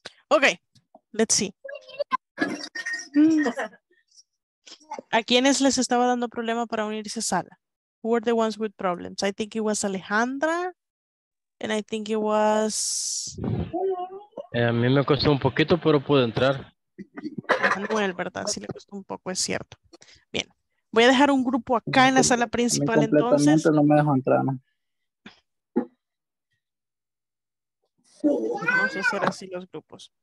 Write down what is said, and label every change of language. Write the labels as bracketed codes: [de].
[en] Okay, let's see. [es] ¿A quiénes les estaba dando problema para unirse a sala? [en] Who were the ones with problems? I think it was Alejandra, and I think it was... [es] A mí me costó un poquito, pero pude entrar. Manuel, ¿verdad? Sí le costó un poco, es cierto. Bien, voy a dejar un grupo acá en la sala principal entonces. No me dejó entrar, ¿no? Vamos a hacer así los grupos.